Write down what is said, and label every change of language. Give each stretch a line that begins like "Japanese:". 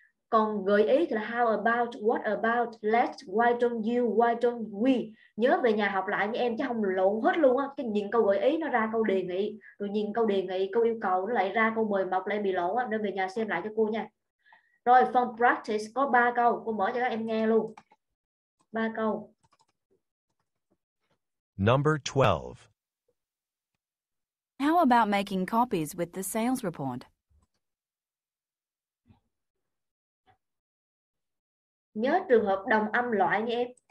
Vietnamese: Còn gợi ý thì là
English: how about, what about, let, why don't you, why don't we.
Vietnamese: Nhớ về nhà học lại như em chứ không lộn hết luôn á. Cái nhìn câu gợi ý nó ra câu đề nghị, rồi nhìn câu đề nghị, câu yêu cầu nó lại ra câu mời mọc lại bị lộn á. Nên về nhà xem lại cho cô nha. Rồi phần practice có 3 câu, cô mở cho các em nghe luôn. 3 câu.
English: Number 12. How about making copies with the sales report?
Vietnamese: Nhớ trường hợp đồng âm loại nha em.